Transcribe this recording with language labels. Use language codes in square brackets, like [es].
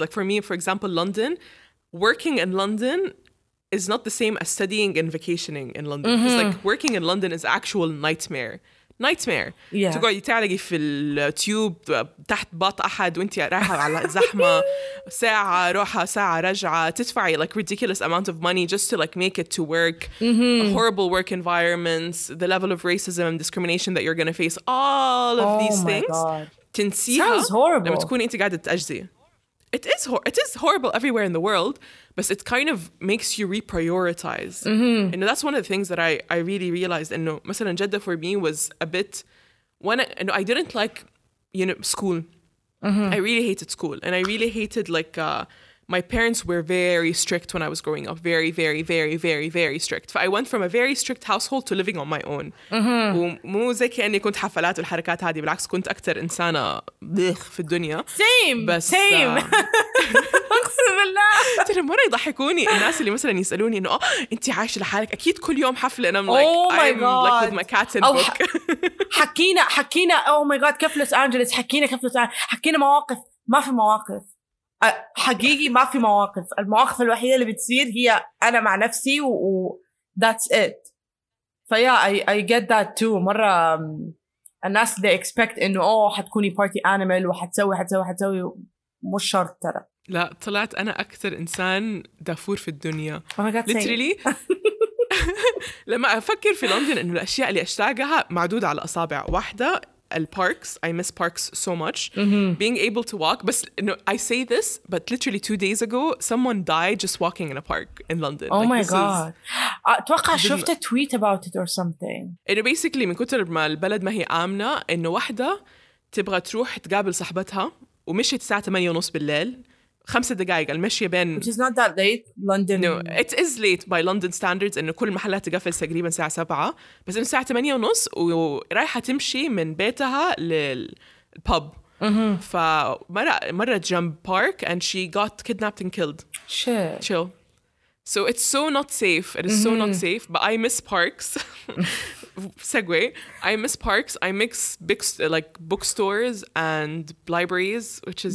[en] Like for me for example London, working in London is not the same as studying and vacationing in London. Mm-hmm. It's like working in London is actual nightmare. Nightmare. Yeah. [ar] تقعد تعلقي في التيوب تحت باط أحد وانتي رايحة على زحمة ساعة روحة ساعة رجعة تدفعي [en] like ridiculous amount of money just to like make it to work. Mm-hmm. A horrible work environment, the level of racism and discrimination that you're gonna face, all of these things. God. [ar] تنسيها [en] sounds horrible. [ar] لما تكون انتي قاعدة تأجزي. [en] It is horrible everywhere in the world, but it kind of makes you reprioritize. Mm-hmm. And that's one of the things that I really realized. And no, مثلا جدة for me was a bit when I didn't like, you know, school. Mm-hmm. I really hated school, and I really hated like my parents were very strict when I was growing up. Very, very, very, very, very strict. I went from a very strict household to living on my own. [ar] ومو زي كأني كنت حفلات والحركات هذه. بالعكس كنت أكثر إنسانة بخ في الدنيا. [en] Same. [ar] بس same. أقسم بالله. ترى مرة يضحكوني الناس اللي مثلاً يسألوني إنه آه أنت عايش لحالك أكيد كل يوم حفلة أنا. [en] Oh my god. Like with my cat and book. [ar] حكينا [en] oh my god [ar] كيف لوس أنجلوس حكينا مواقف ما في مواقف. حقيقي ما في مواقف. المواقف الوحيدة اللي بتصير هي أنا مع نفسي و [en] that's it. [ar] فيا [en] I get that too. [ar] مرة الناس [en] they expect [ar] إنه أوه حتكوني [en] party animal [ar] وحتسوي حتسوي حتسوي, مش شرط ترى. لا طلعت أنا أكثر إنسان دافور في الدنيا. [en] Oh my God, literally. [ar] لما أفكر في لندن إنه الأشياء اللي أشتاقها معدودة على أصابع واحدة. [en] Parks, I miss parks so much. Mm-hmm. Being able to walk, but you know, I say this, but literally 2 days ago, someone died just walking in a park in London. Oh like, my god! [ar] أتوقع شفت [en] a tweet about it or something. [ar] إنه basically من كتر ما البلد ما هي آمنة إنه واحدة تبغى تروح تقابل صاحبتها ومشيت الساعة 8:30 بالليل. 5 دقائق المشي بين. [en] Which is not that late, London. No, it is late by London standards. [ar] إنه كل المحلات تقفل تقريبا الساعة 7:00, بس إنه الساعة 8:30 ورايحة تمشي من بيتها للpub. [en] Mm-hmm. [ar] فمرة جنب [en] park and she got kidnapped and killed. Shit. Chill. So it's so not safe. It is mm-hmm. so not safe. But I miss parks. Segway. I miss parks. I miss big like bookstores and libraries, which is.